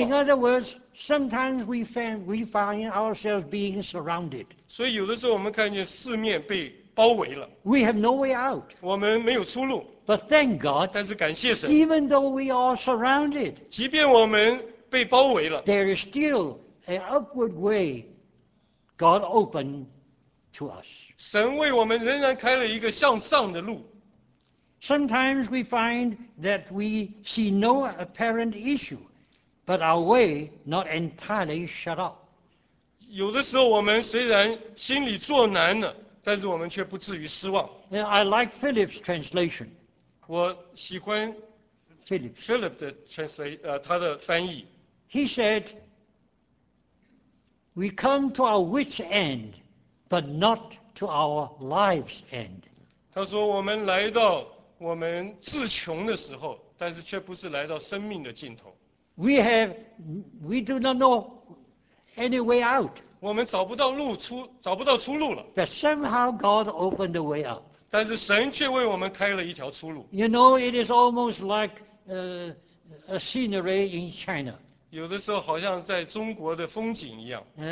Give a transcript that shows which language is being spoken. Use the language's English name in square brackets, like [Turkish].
[English] In other words, sometimes we find ourselves being surrounded. [Chinese] 所以有的时候我们看见四面被包围了。 [English] We have no way out. [Chinese] 我们没有出路。 [English] But thank God. [Chinese] 但是感谢神。 [English] Even though we are surrounded. [Chinese] 即便我们被包围了。 [English] There is still an upward way God opened to us. [Chinese] 神为我们仍然开了一个向上的路。 [English] Sometimes we find that we see no apparent issue. But our way not entirely shut out. [Chinese] 有的时候我们虽然心里作难了，但是我们却不至于失望。 [English] And I like Philip's translation. [Chinese] 我喜欢 Philip 的他的翻译。 [English] He said, "We come to our wit's end, but not to our life's end." [Chinese] 他说我们来到我们自穷的时候，但是却不是来到生命的尽头。 [English] We do not know any way out. [Chinese] 我们找不到路出，找不到出路了。 [English] But somehow God opened the way up. [Chinese] 但是神却为我们开了一条出路。 [English] You know, it is almost like a scenery in China. [Chinese] 有的时候好像在中国的风景一样。